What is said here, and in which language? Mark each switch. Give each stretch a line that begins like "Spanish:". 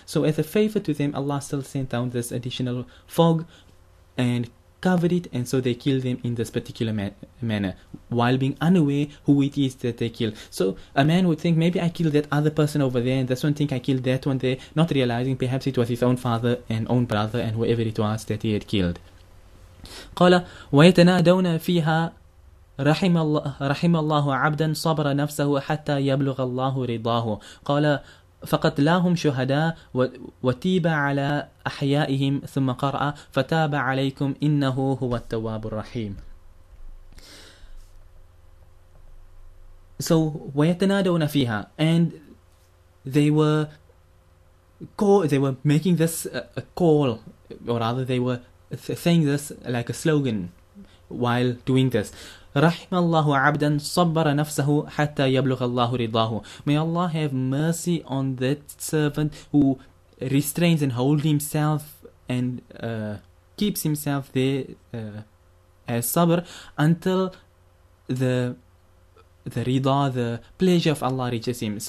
English: So as a favor to them, Allah still sent down this additional fog and covered it, and so they killed them in this particular manner while being unaware who it is that they killed. So a man would think, maybe I killed that other person over there, and this one think I killed that one there, not realizing perhaps it was his own father and own brother and whoever it was that he had killed.
Arabic: قال ويتنادون فيها رحم الله عبدا صبر نفسه حتى يبلغ الله رضاه قال فقد لاهم شهداء وتيب على أحيائهم ثم قرأ فتاب عليكم إنه هو التواب الرحيم.
English: So
Arabic: ويتنادون فيها,
English: and they were making this a call, or rather they were saying this like a slogan while doing this.
Arabic: رحم الله عبدا صبر نفسه حتى يبلغ الله رضاه.
English: May Allah have mercy on that servant who restrains and holds himself and keeps himself there as sabr until the rida, the pleasure of Allah reaches him.